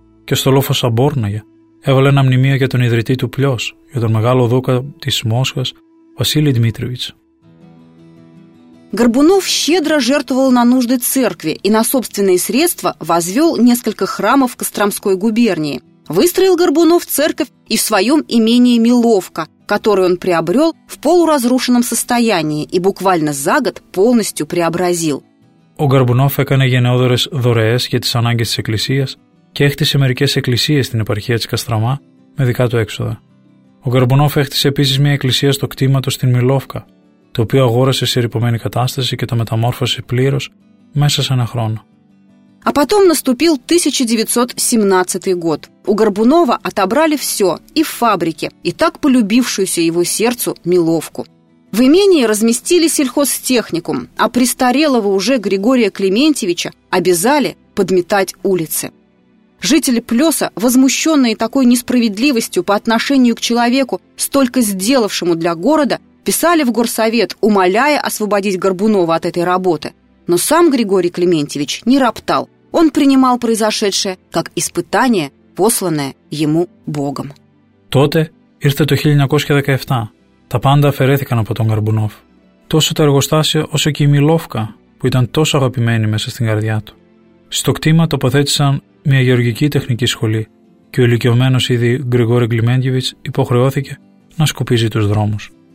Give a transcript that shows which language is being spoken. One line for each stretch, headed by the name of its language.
Greek: Και στο λόφο Σαμπόρναγε έβαλε ένα μνημείο για τον ιδρυτή του Πλιός, για τον μεγάλο δούκα της Μόσχας, Βασίλη Δημήτριεβιτς.
Russian: Горбунов щедро жертвовал на нужды церкви и на собственные средства возвел несколько храмов в Костромской губернии. Выстроил Горбунов церковь и в своем имении Миловка, которую он приобрел в полуразрушенном состоянии и буквально за год полностью преобразил.
Greek: Ο Горбунов έκανε γενναιόδωρες δωρεές για τις ανάγκες της εκκλησίας και έκτισε μερικές εκκλησίες στην επαρχία της Καστραμά με δικά του έξοδα. Ο Γκορμπουνόφ έκτισε επίσης μια εκκλησία στο κτήμα του στην Μιλόφκα, το οποίο αγόρασε σε ρυπωμένη κατάσταση και το μεταμόρφωσε πλήρως μέσα σε ένα χρόνο.
Russian: А потом наступил 1917 год. У Горбунова отобрали все, и фабрики, и так полюбившуюся его сердцу Миловку. В имении разместили сельхозтехникум, а престарелого уже Григория Климентьевича обязали подметать улицы. Жители Плёса, возмущенные такой несправедливостью по отношению к человеку, столько сделавшему для города, писали в горсовет, умоляя освободить Горбунова от этой работы. Но сам Григорий Климентьевич не роптал. Он принимал произошедшее как испытание, посланное ему Богом.
Greek: Τότε ήρθε το 1917. Τα πάντα αφαιρέθηκαν από τον Γκορμπουνόφ. Τόσο τα εργοστάσια όσο και η Μιλόφκα, που ήταν τόσο αγαπημένη μέσα στην καρδιά του. Στο κτήμα τοποθέτησαν μια γεωργική τεχνική σχολή και ο ηλικιωμένος ήδη Γκριγόρη Κλιμέντιεβιτς υποχρεώθηκε να σκουπίζει τους δρόμους.